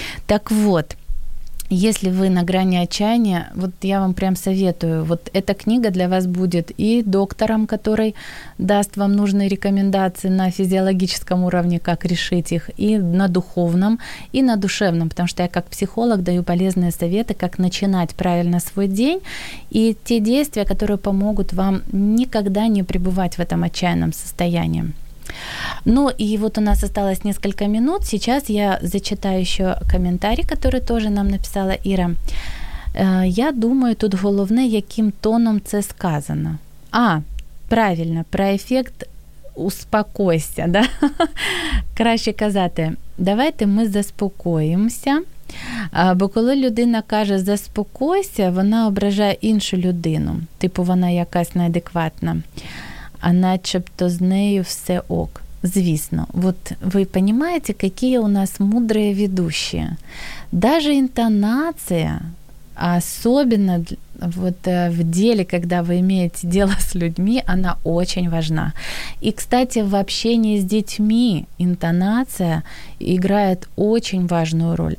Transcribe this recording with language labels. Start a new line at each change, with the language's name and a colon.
Russian: Так вот, если вы на грани отчаяния, вот я вам прям советую, вот эта книга для вас будет и доктором, который даст вам нужные рекомендации на физиологическом уровне, как решить их, и на духовном, и на душевном, потому что я как психолог даю полезные советы, как начинать правильно свой день, и те действия, которые помогут вам никогда не пребывать в этом отчаянном состоянии. Ну и вот у нас осталось несколько минут. Сейчас я зачитаю еще комментарий, который тоже нам написала Ира.
Ukrainian: Я думаю, тут головне, яким тоном це сказано.
Russian: А, правильно, про эффект «успокойся», да?
Ukrainian: Краще казати, давайте ми заспокоїмося. Бо коли людина каже «заспокойся», вона ображає іншу людину. Типу, вона якась неадекватна. А начебто з нею все ок. Звісно.
Russian: Вот вы понимаете, какие у нас мудрые ведущие. Даже интонация, особенно вот в деле, когда вы имеете дело с людьми, она очень важна. И, кстати, в общении с детьми интонация играет очень важную роль.